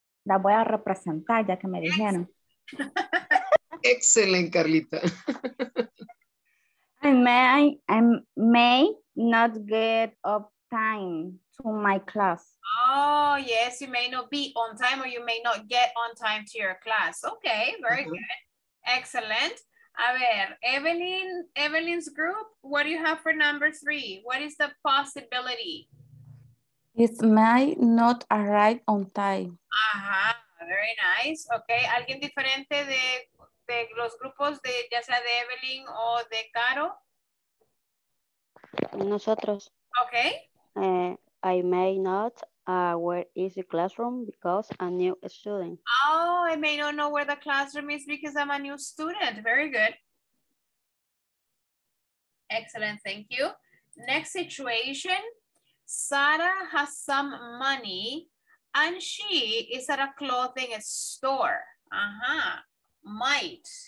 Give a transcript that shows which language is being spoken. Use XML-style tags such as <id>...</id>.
<es>La voy a representar ya que me dijeron.</es> <en>Excellent, Carlita. I may not get up time to my class. Oh, yes, you may not be on time or you may not get on time to your class. Okay, very good. Excellent. A ver, Evelyn's group, what do you have for number three? What is the possibility? It may not arrive on time. Uh-huh, very nice.</en> <es>Okay, alguien diferente de los grupos, de ya sea de Evelyn o de Caro? Nosotros.</es> <en>Okay. I may not where is the classroom because I'm a new student. Oh, I may not know where the classroom is because I'm a new student. Very good. Excellent. Thank you. Next situation. Sarah has some money and she is at a clothing store. Uh-huh. Might.</en>